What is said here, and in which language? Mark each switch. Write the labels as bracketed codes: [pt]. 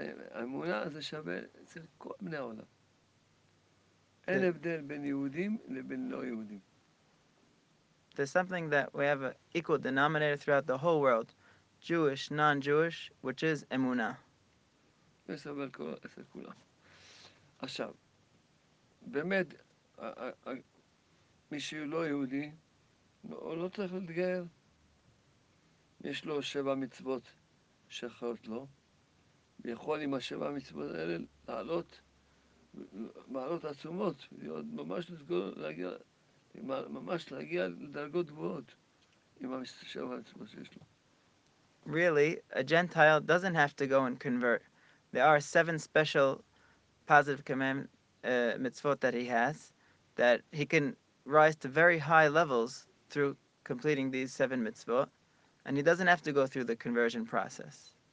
[he] האמונה זה שווה אצל כל בני העולם. אין הבדל בין יהודים לבין לא יהודים. [en] There's something that we have an equal denominator throughout the whole world. Jewish, non-Jewish, which is Emunah. [he] יש אבל אצל כולם. עכשיו, באמת, מי שהוא לא יהודי, הוא לא צריך להתגייר. יש לו שבע מצוות שחיות לו. ויכול עם השבה מצוות האלה לעלות מעלות עצומות, להיות ממש לסגור, להגיע, ממש להגיע לדרגות גבוהות עם השבה מצוות שיש לו. [en] Really, a Gentile doesn't have to go and convert. There are seven special positive commandments mitzvot that he has, that he can rise to very high levels through completing these seven mitzvot, and he doesn't have to go through the conversion process.